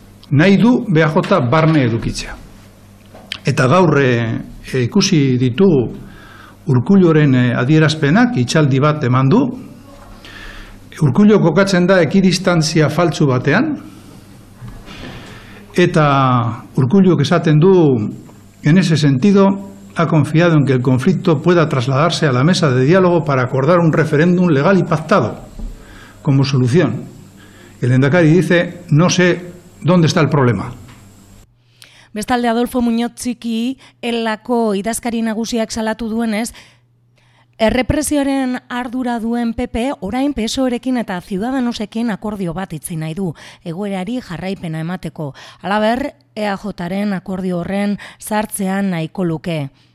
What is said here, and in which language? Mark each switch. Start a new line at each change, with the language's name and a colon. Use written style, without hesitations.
Basque: Nahi du BAJ barne edukitzea. Eta gaur ikusi ditugu Urkulluren adierazpenak, itxaldi bat eman du. Urkullu kokatzen da ekidistantzia faltsu batean. Eta Urkulluk esaten du,
Spanish: en ese sentido, ha confiado en que el conflicto pueda trasladarse a la mesa de diálogo para acordar un referéndum legal y pactado como solución. El Lehendakari dice, no sé, ¿dónde está el problema?
Basque: Bestalde, Adolfo Muñoz Txiki, Elako idazkari nagusiak salatu duenez, errepresioaren ardura duen PP orain PSOErekin eta Ciudadanosekin akordio bat itzi nahi du, egoerari jarraipena emateko. Halaber, EAJaren akordio horren sartzean nahiko luke.